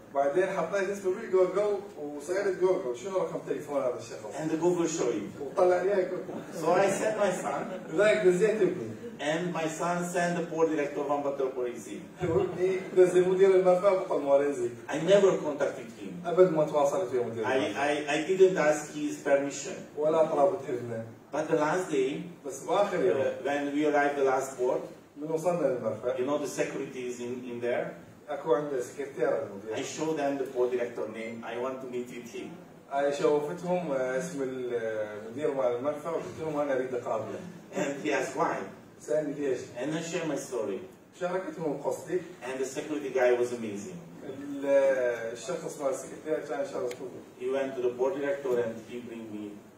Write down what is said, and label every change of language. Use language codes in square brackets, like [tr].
[ar] بعدين حطيت اسمه بجوجل وسألت جوجل شنو رقم تليفون هذا الشخص. [en] And the Google show him. [ar] وطلع لي هيك. [en] So I sent my son. [ar] ذاك نزلت ابني. [en] And my son sent the port director from Batalporizi. [ar] نزل مدير المرفأ بطل مورينزي. [en] I never contacted him. [ar] أبد ما تواصلت فيه مدير المرفأ. [en] I didn't ask his permission. [ar] ولا طلبت إذنه. [en] But the last day, when we arrived the last port, you know the security is in there. I show them the port director name. I want to meet with him. I show them [ar] اسم المدير مال المرفا وقلتلهم أنا أريد أقابله. [en] And he asked why. [ar] سألني ليش. [en] And I share my story. [ar] شاركتهم قصتي. [en] And the security guy was amazing. [ar] الشخص مال السكرتير كان شخص [en] طيب. He went to the port director and he bring me.